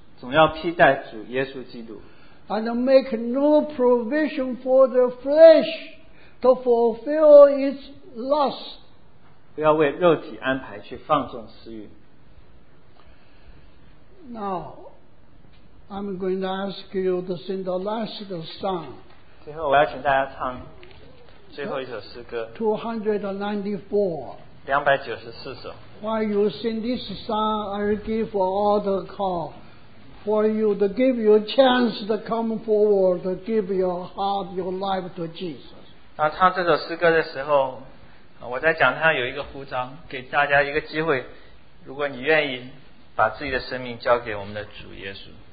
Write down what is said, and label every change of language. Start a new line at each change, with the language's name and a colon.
Chinese: 总要披戴主耶稣基督。
English: And make no provision for the flesh to fulfill its lust.
Chinese: 不要为肉体安排去放纵私欲。
English: Now, I'm going to ask you to sing the last song.
Chinese: 最后我要请大家唱最后一首诗歌。 294首。
English: While you sing this song, I'll give all the call for you to give you a chance to come forward to give your heart, your life to Jesus.
Chinese: 当唱这首诗歌的时候，我在讲台上有一个呼召，给大家一个机会，如果你愿意。把自己的生命交给我们的主耶稣。